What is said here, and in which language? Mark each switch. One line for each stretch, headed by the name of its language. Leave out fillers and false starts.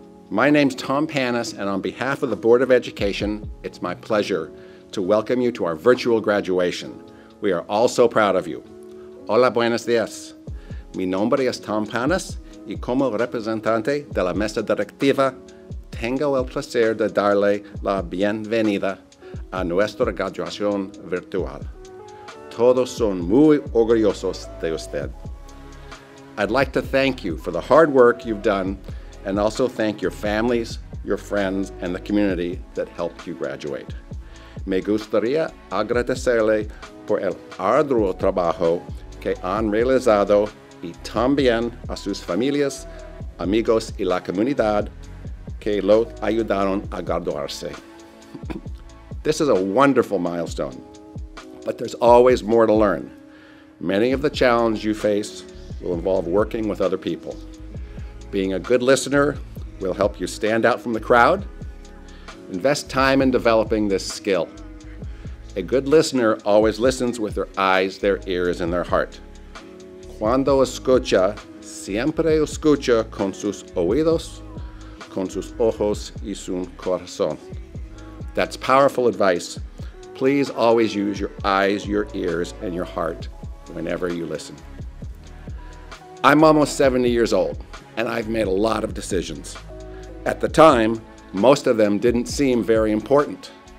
English: My name's Tom Panis, and on behalf of the Board of Education, it's my pleasure to welcome you to our virtual graduation. We are all so proud of you.
Spanish: Hola, buenos dias. Mi nombre es Tom Panis, y como representante de la mesa directiva, tengo el placer de darle la bienvenida a nuestra graduación virtual. Todos son muy orgullosos de usted.
English: I'd like to thank you for the hard work you've done and also thank your families, your friends, and the community that helped you graduate.
Spanish: me gustaría agradecerle por el arduo trabajo que han realizado y también a sus familias, amigos y la comunidad que lo ayudaron a graduarse.
English: This is a wonderful milestone, but there's always more to learn. Many of the challenges you face will involve working with other people. Being a good listener will help you stand out from the crowd. Invest time in developing this skill. A good listener always listens with their eyes, their ears, and their heart.
Spanish: Cuando escucha, siempre escucha con sus oídos, con sus ojos y su corazón.
English: That's powerful advice. Please always use your eyes, your ears, and your heart whenever you listen. I'm almost 70 years old, and I've made a lot of decisions. At the time, most of them didn't seem very important.